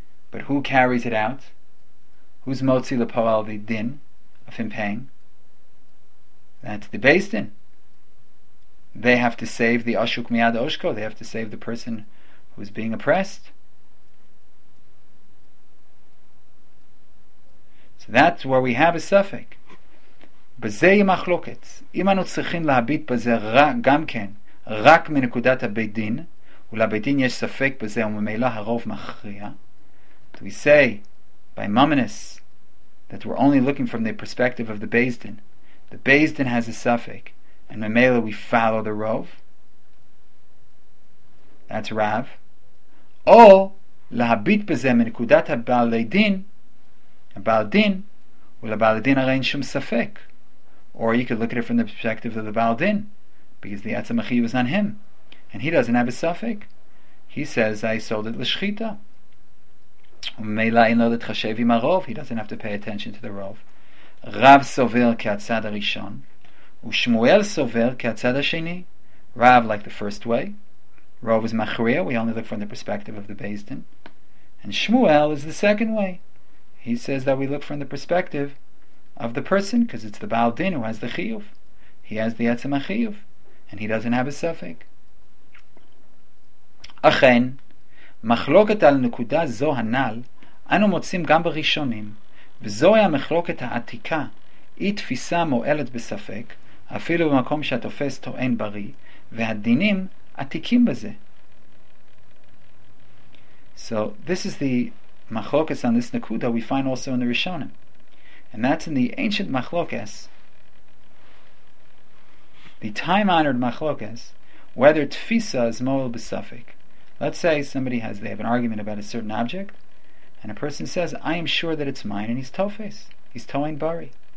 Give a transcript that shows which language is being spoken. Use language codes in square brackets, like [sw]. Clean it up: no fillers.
[en] But who carries it out? Who's motzi lepoal the din of him paying? That's the beis din. They have to save the [he] ashuk miyad oshko. [en] They have to save the person who is being oppressed. So that's where we have a suffix. [he] בזה היא מחלוקת. אם אנו צריכים להביט בזה גם כן, רק מנקודת הבית דין, ולבית דין יש ספק בזה וממילא הרוב מכריע. [en] But we say, by mamonis, that we're only looking from the perspective of the beis din. The beis din has a ספק, and memela we follow the rov. That's rav. [he] או להביט בזה מנקודת הבעל דין, ולבעל דין הרי אין שום ספק. [en] Or you could look at it from the perspective of the Baal Din, because the Etzem Achiyuv was on him, and he doesn't have a suffix. He says, I sold it l'shchita. [he] Meila'in lo l'tchashev im harov. [en] He doesn't have to pay attention to the rov. [he] Rav sover ke'atzad harishon, u'shmuel sover ke'atzad hasheni. [en] Rav, like the first way. Rov is machriya. We only look from the perspective of the Beis Din. And Shmuel is the second way. He says that we look from the perspective of the person, because it's the Baal Din who has the Chiyuv. He has the Etzem HaChiyuv, and he doesn't have a Suffolk. [he] Achen, מחלוקת על נקודה זו הנ"ל, אנו מוצאים גם בראשונים, וזוהי המחלוקת העתיקה, היא תפיסה מועלת בספק, אפילו במקום שהתופס טוען בריא, והדינים עתיקים בזה. [en] So, this is the מחלוקת on this נקודה we find also in the Rishonim. And that's in the ancient machlokes, the time-honored machlokes, whether tfisa is [he] moel b'safik. [en] Let's say somebody has, they have an argument about a certain object, and a person says, I am sure that it's mine, and he's tofes, he's toing bari.